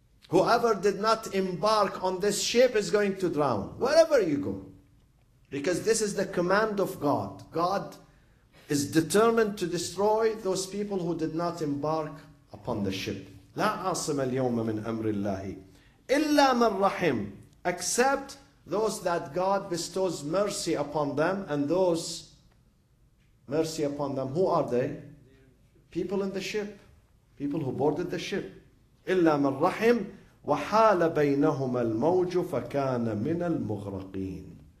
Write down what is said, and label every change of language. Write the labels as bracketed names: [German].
[English] Whoever did not embark on this ship is going to drown, wherever you go. Because this is the command of God. God is determined to destroy those people who did not embark upon the ship. [Arabic] لا عاصم اليوم من أمر الله إلا من رحم. [English] Except those that God bestows mercy upon them, and those mercy upon them, who are they? People in the ship. People who boarded the ship. [Arabic] إلا من رحم وحال بينهما الموج فكان من المغرقين.